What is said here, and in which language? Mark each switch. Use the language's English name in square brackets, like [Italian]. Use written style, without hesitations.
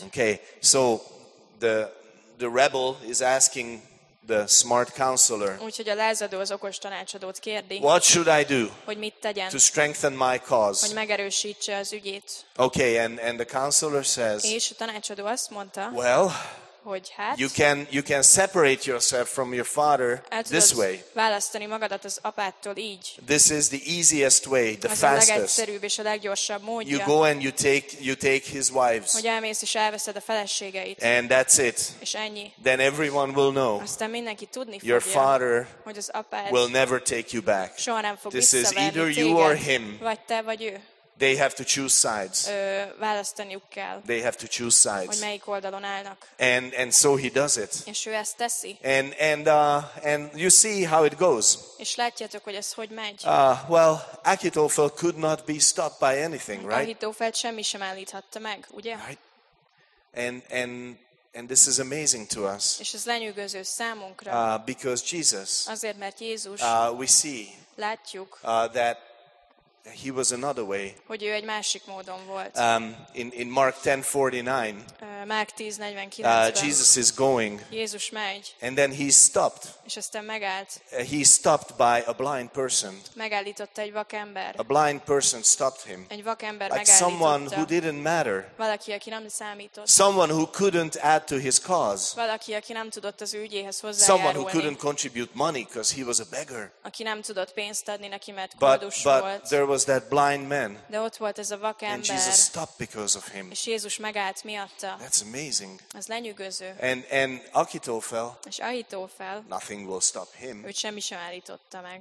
[English] Okay, so the rebel is asking the smart counselor, [Hungarian] úgyhogy a lázadó az okos tanácsadót kérdi, [English] what should I do, [Hungarian] hogy mit tegyen, [English] to strengthen my cause, [Hungarian] hogy megerősítse az ügyét. [English] Okay, and the counselor says, [Hungarian] és a tanácsadó azt mondta, [English] well, [Hungarian] hogy hát, [English] you can separate yourself from your father this way. [Hungarian] Választani magadat az apádtól így. [English] This is the easiest way, the fastest. [Hungarian] Ez a legegyszerűbb és a leggyorsabb módja. [English] You go and you take his wives. [Hungarian] Hogy elmész és elveszed a feleségeit. [English] And that's it. [Hungarian] És ennyi. [English] Then everyone will know. [Hungarian] Aztán mindenki tudni fogja. [English] Your father, [Hungarian] hogy az apád, [English] will never take you back. [Hungarian] Soha nem fog [English] this [Hungarian] visszavenni [English] is either [Hungarian] téged, [English] you or him. [Hungarian] Vagy te vagy ő. [English] They have to choose sides. [Hungarian] Választaniuk kell. [English] They have to choose sides. [Hungarian] Hogy melyik oldalon állnak. [English] And so he does it. [Hungarian] És ő ezt teszi. [English] And you see how it goes. [Hungarian] És látjátok, hogy ez hogy megy. [English] Well, Ahithophel could not be stopped by anything, right? [Hungarian] Ahithophelt semmi sem állíthatta meg, ugye? [English] Right. And this is amazing to us. [Hungarian] És ez lenyűgöző számunkra. [English] Because Jesus. [Hungarian] Azért, mert Jézus. [English] We see. [Hungarian] Látjuk. [English] That he was another way. [Hungarian] Hogy ő egy másik módon volt. [English] In Mark 10:49. [Hungarian] Mark 10:49. [English] Jesus is going. [Hungarian] Jézus megy. [English] And then he stopped. [Hungarian] És aztán megállt. [English] He stopped by a blind person. [Hungarian] Megállított egy vakember. [English] A blind person stopped him. [Hungarian] Egy vakember [English] like [Hungarian] megállította. [English] Someone who didn't matter. [Hungarian] Valaki, aki nem számított. [English] Someone who couldn't add to his cause. [Hungarian] Valaki, aki nem tudott az ügyéhez hozzájárulni. [English] Someone who couldn't contribute money because he was a beggar. [Hungarian] Aki nem tudott pénzt adni neki, mert kódus volt. [English] There was that blind man. [Hungarian] De ott volt ez a vakember. [English] And Jesus stopped because of him. [Hungarian] És Jézus megállt miatta. [English] That's amazing. [Hungarian] Ez lenyűgöző. [English] And Ahithophel. [Hungarian] És Ahithophel. [English] Nothing will stop him. [Hungarian] Őt semmi sem állította meg.